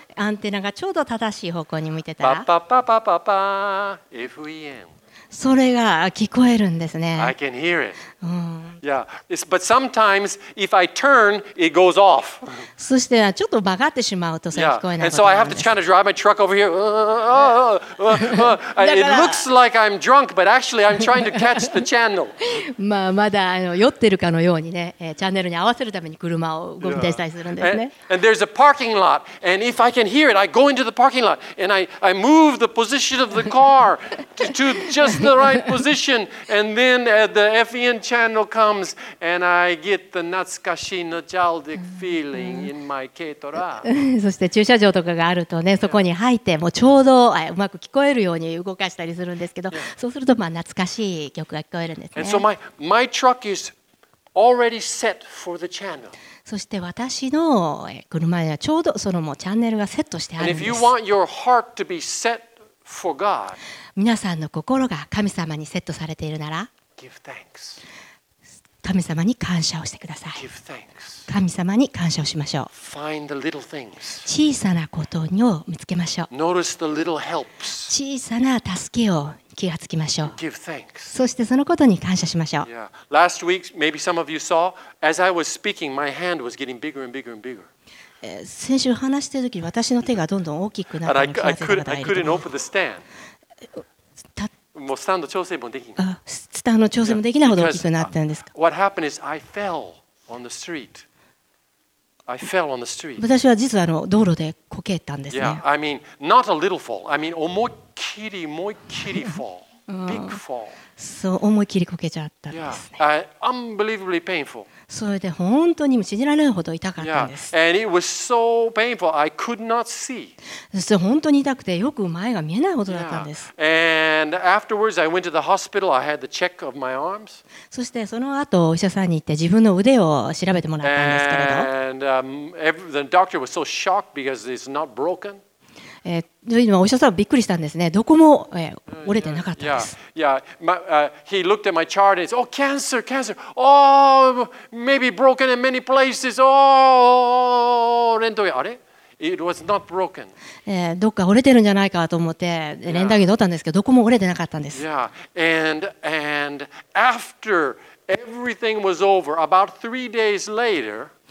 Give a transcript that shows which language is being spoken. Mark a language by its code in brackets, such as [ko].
[ja] アンテナがちょうど正しい方向に向いてたら、パパパパパパ、FEN。それが聞こえるんですね。 [en] I can hear it. Yeah. But sometimes if I turn, it goes off. [ja] そしてちょっと曲がってしまうとそれ聞こえないことなんです。 [en] And so I have to kind of drive my truck over here. It looks like I'm drunk, but actually I'm trying to catch the channel. [ja] まあまだ酔ってるかのようにね、チャンネルに合わせるために車を運転したりするんですね。 [en] And there's a parking lot. And if I can hear it, I go into the parking lot. And I move the position of the car to justThe right position, and then the FEN channel comes, and I get the [ja] 懐かしい [en] nostalgic feeling in my Ketora. [ja] そして駐車場とかがあるとね、そこに入ってもちょうどうまく聞こえるように動かしたりするんですけど、そうするとまあ懐かしい曲が聞こえるんですね。 [en] And so my truck is already set for the channel. [ja] そして私の車にはちょうどそのもうチャンネルがセットしてあるんです。 [en] And if you want your heart to be set for God. [ja] 皆さんの心が神様にセットされているなら、神様に感謝をしてください。神様に感謝をしましょう。 [en] Find the little things. [ja] 小さなことを見つけましょう。 [en] Notice the little helps. [ja] 小さな助けを気がつきましょう。 [en] Give thanks. [ja] そしてそのことに感謝しましょう。 [en] Yeah. Last week, maybe some of you saw, as I was speaking, my hand was getting bigger and bigger and bigger. [ja] 先週話しているときに私の手がどんどん大きくなったのに気がついた方がいると思う。 [en] I couldn't open the stand. [ja] もうスタンド調整もできない。スタンド調整もできないほど大きくなったんですか。 [en] What happened is I fell on the street. I fell on the street. [ja] 私は実は道路でこけたんですね。 [en] Yeah, I mean, not a little fall. I mean, [ja] 思いっきり、思いっきり [en] fall. Big fall. [ja] そう、思いっきりこけちゃったんですね。 [en] Yeah, unbelievably painful. [ja] それで本当に信じられないほど痛かったんです。 [en] Yeah, and it was so painful, I could not see. [ja] そして本当に痛くて、よく前が見えないほどだったんです。 [en] And afterwards, I went to the hospital. I had the check of my arms. [ja] そしてその後お医者さんに行って自分の腕を調べてもらったんですけれど。 [en] And the doctor was so shocked because it's not broken. [ja] というのはお医者さんはびっくりしたんですね。どこも折れてなかったんです。 [en] He looked at my chart and said, "Oh, cancer, cancer. Oh, maybe broken in many places. Oh, [ja] レントゲン、あれ? [en] It was not broken. [ja] どっか折れてるんじゃないかと思ってレントゲン取ったんですけど、どこも折れてなかったんです。 [en] Yeah. And after everything was over, about three days later,